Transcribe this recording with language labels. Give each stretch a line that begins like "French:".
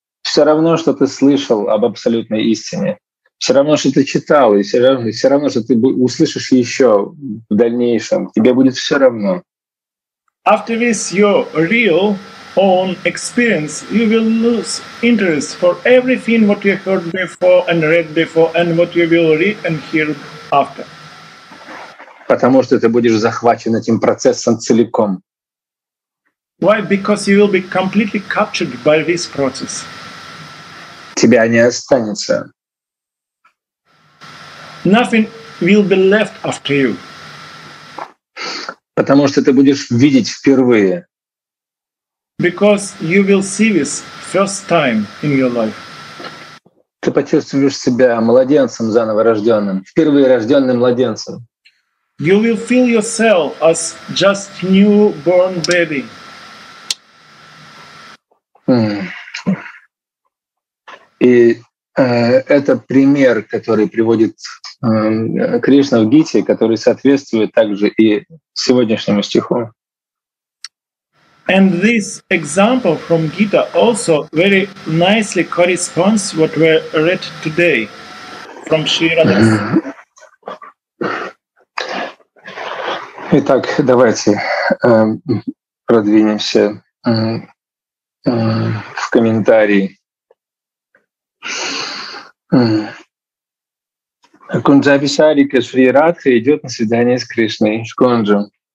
Russian: Все равно, что ты слышал об абсолютной истине. Все равно, что ты читал, и все равно, что ты услышишь еще в дальнейшем. Тебе будет все равно.
English: After this, your real own experience, you will lose interest for everything what you heard before and read before and what you will read and hear after.
Russian: Потому что ты будешь захвачен этим процессом целиком.
English: Why? Because you will be completely captured by this process.
Russian: Тебя не останется.
English: Nothing will be left after you.
Russian: Потому что ты будешь видеть впервые.
English: Because you will see this first time in your life.
Russian: Ты почувствуешь себя младенцем, заново рожденным, впервые рожденным младенцем.
English: You will feel yourself as just newborn baby.
Russian: И это пример, который приводит Кришна в Гите, который соответствует также и сегодняшнему стиху.
English: And this example from Gita also very nicely corresponds what we read today from Shri Radha.
Russian: Итак, давайте продвинемся в комментарии. Кунджаби Сарика Шри Радха идет на свидание с Кришной, с Кунджу.